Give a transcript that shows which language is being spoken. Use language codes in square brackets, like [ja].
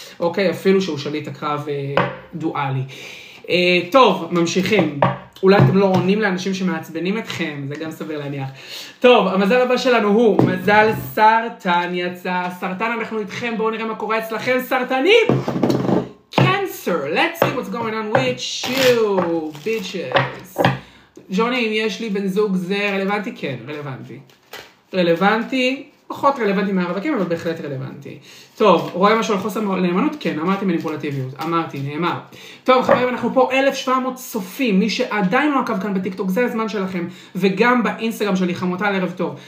[he] אוקיי, אפילו שהוא שליט הקרב דואלי. טוב, ממשיכים. אולי אתם לא עונים לאנשים שמעצבנים אתכם, זה גם סביר להניח. טוב, המזל הבא שלנו הוא מזל סרטן יצא. סרטן, אנחנו איתכם, בואו נראה מה קורה אצלכם. סרטנים! [en] Cancer, let's see what's going on with you, bitches. [he] ג'וני, אם יש לי בן זוג זה רלוונטי? כן, רלוונטי. רלוונטי? פחות רלוונטי מהרווקים, אבל בהחלט רלוונטי. טוב, רואה משהו על חוסר נאמנות? כן, אמרתי מניפולטיביות. אמרתי, נאמר. טוב, חברים, אנחנו פה 1,700 צופים. מי שעדיין לא עקב כאן בטיקטוק, זה הזמן שלכם. וגם באינסטגרם שלי, חמותה לערב טוב.